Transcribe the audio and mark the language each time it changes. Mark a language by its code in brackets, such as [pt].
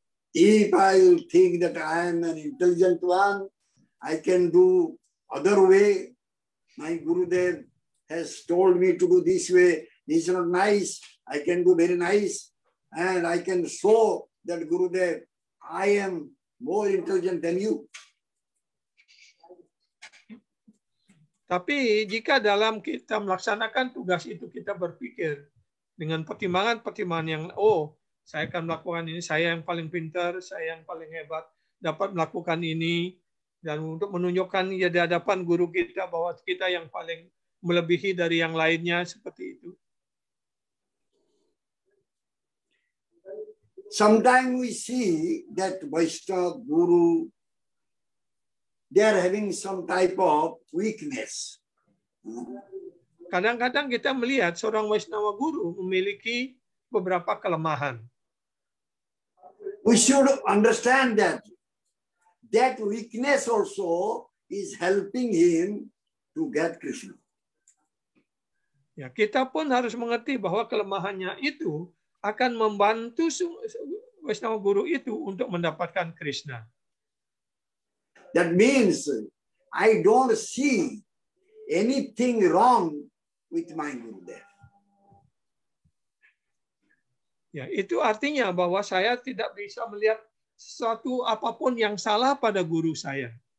[en] If I think that I am an intelligent one, I can do other way. My Gurudev has told me to do this way. This is not nice. I can do very nice. And I can show that Gurudev, I am more intelligent than you. [id] Tapi jika dalam kita melaksanakan tugas itu, kita berpikir dengan pertimbangan-pertimbangan yang, oh, saya akan melakukan ini, saya yang paling pintar, saya yang paling hebat, dapat melakukan ini, dan untuk menunjukkan ya di hadapan guru kita bahwa kita yang paling melebihi dari yang lainnya, seperti itu. [en] Sometimes we see that Vaishnava guru, they are having some type of weakness. [id] Kadang-kadang kita melihat seorang Vaishnava guru memiliki beberapa kelemahan. [en] We should understand that that weakness also is helping him to get Krishna. [id] Ya, kita pun harus mengerti bahwa kelemahannya itu akan membantu Vaishnava guru itu untuk mendapatkan Krishna. [en] That means I don't see anything wrong with my Gurudev. [id] Ya, itu artinya bahwa saya tidak bisa melihat sesuatu apapun yang salah pada guru saya.